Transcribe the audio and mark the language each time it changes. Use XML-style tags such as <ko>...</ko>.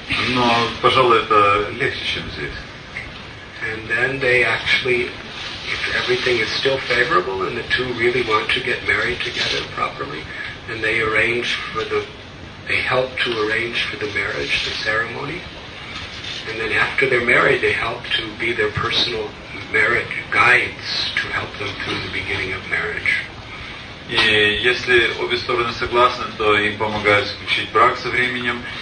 <ru>Но, пожалуй, это легче, чем здесь.</ru> <en>And then they actually, if everything is still favorable and the two really want to get married together properly, then they arrange for the they help to arrange for the marriage, the ceremony. And then after they're married, they help to be their personal marriage guides to help them through the beginning of marriage.</en> <ru>И если обе стороны согласны, то им помогают заключить брак со временем.</ru>